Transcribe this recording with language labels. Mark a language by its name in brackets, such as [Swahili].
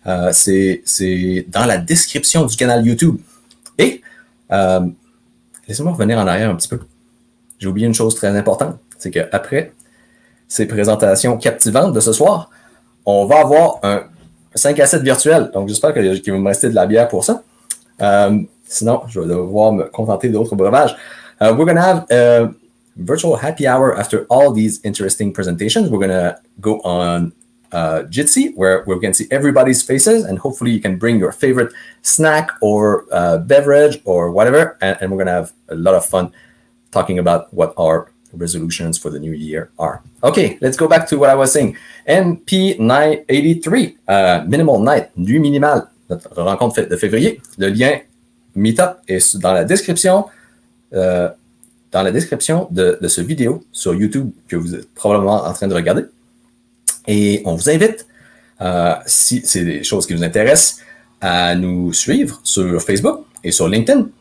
[French] C'est dans la description du canal YouTube. Et laissez-moi revenir en arrière un petit peu. J'ai oublié une chose très importante, c'est qu'après ces présentations captivantes de ce soir, on va avoir un 5 à 7 virtuels, donc j'espère qu'il va me rester de la bière pour ça. Sinon, je vais devoir me contenter d'autres breuvages. [English] We're going to have a virtual happy hour after all these interesting presentations. We're going to go on Jitsi, where we can see everybody's faces, and hopefully you can bring your favorite snack or beverage or whatever, and we're going to have a lot of fun talking about what our resolutions for the new year are. Okay, let's go back to what I was saying. [French] MP983, Minimal Night, Nuit Minimale, notre rencontre de février. Le lien Meetup est dans la description, de ce vidéo sur YouTube que vous êtes probablement en train de regarder. Et on vous invite, si c'est des choses qui vous intéressent, à nous suivre sur Facebook et sur LinkedIn.